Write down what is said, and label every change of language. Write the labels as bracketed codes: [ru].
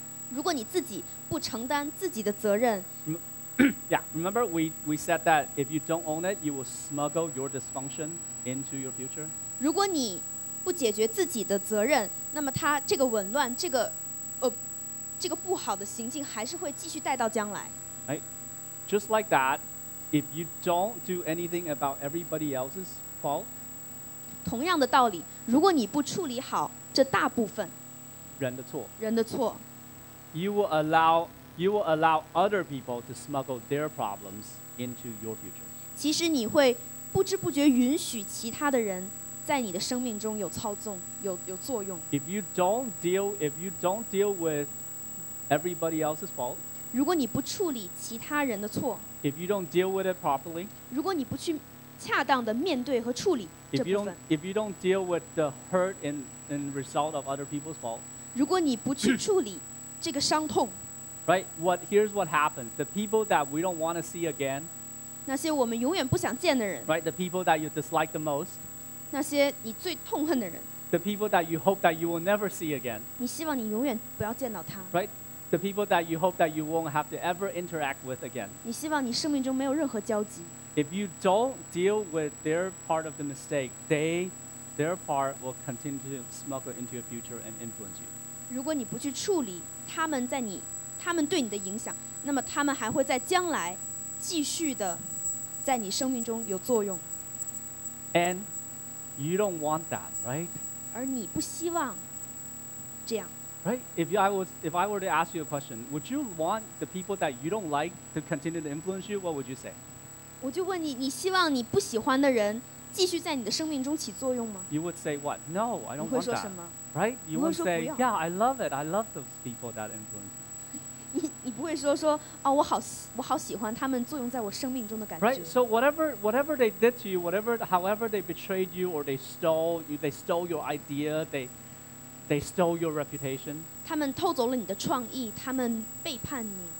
[zh] 如果你自己不承担自己的责任 [en] Yeah, remember we said that if you don't own it, you will smuggle your dysfunction into your future [zh] 如果你不解决自己的责任那么它这个紊乱这个这个不好的行径还是会继续带到将来 [en] Right, just like thatIf you don't do anything about everybody else's fault, [zh] 同样的道理，如果你不处理好这大部分人的错，人的错 [en] you will allow other people to smuggle their problems into your future. [zh] 其实你会不知不觉允许其他的人在你的生命中有操纵，有作用。 [en] If you don't deal with everybody else's fault. [zh] 如果你不处理其他人的错 [en] if you don't deal with it properly, [zh] 如果你不去恰当的面对和处理这部分 [en] if you don't deal with the hurt and result of other people's fault, [zh] 如果你不去处理这个伤痛 [en] right, here's what happens, the people that we don't want to see again, [zh] 那些我们永远不想见的人 [en] right, the people that you dislike the most, [zh] 那些你最痛恨的人 [en] the people that you hope that you will never see again, [zh] 你希望你永远不要见到他 [en] right,The people that you hope that you won't have to ever interact with again. [zh] 你希望你生命中没有任何交集。 [en] If you don't deal with their part of the mistake, their part will continue to smuggle into your future and influence you. [zh] 如果你不去处理他们对你的影响，那么他们还会在将来继续的在你生命中有作用。 [en] And you don't want that, right? [zh] 而你不希望这样。 [en] Right? If I were to ask you a question, would you want the people that you don't like to continue to influence you? What would you say? [zh] 我就问你，你希望你不喜欢的人继续在你的生命中起作用吗？ [en] You would say what? No, I don't want that. [zh] 你会说什么？ [en] Right? You would say, yeah, I love it. I love those people that influence me. [zh] 你不会说哦，我好喜欢他们作用在我生命中的感觉。 [en] Right? So whatever they did to you, however they betrayed you or they stole your idea, They stole your reputation. [zh] 他们偷走了你的创意，他们背叛你。